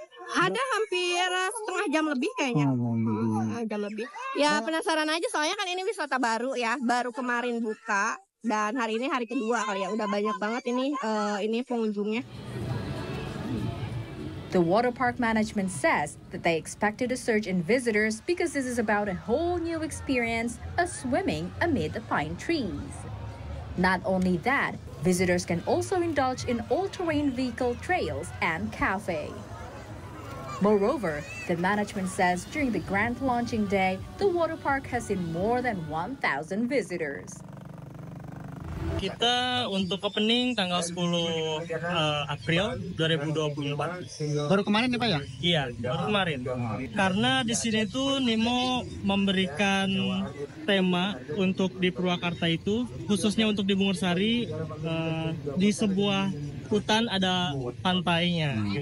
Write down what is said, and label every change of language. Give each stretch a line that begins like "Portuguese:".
Indonesian: Ada hampir setengah jam lebih kayaknya. Agak lebih. Ya penasaran aja soalnya kan ini wisata baru ya. Baru kemarin buka dan hari ini hari kedua kali ya. Udah banyak banget ini pengunjungnya.
English: The water park management says that they expected a surge in visitors because this is about a whole new experience, a swimming amid the pine trees. Not only that, visitors can also indulge in all-terrain vehicle trails and cafe. Moreover, the management says during the grand launching day, the water park has seen more than 1,000 visitors.
Indonesian: Kita untuk opening tanggal 10 April 2024. Baru kemarin ya Pak ya? Iya, baru kemarin. Karena di sini itu Nemo memberikan tema untuk di Purwakarta itu, khususnya untuk di Bungur Sari, di sebuah hutan ada pantainya.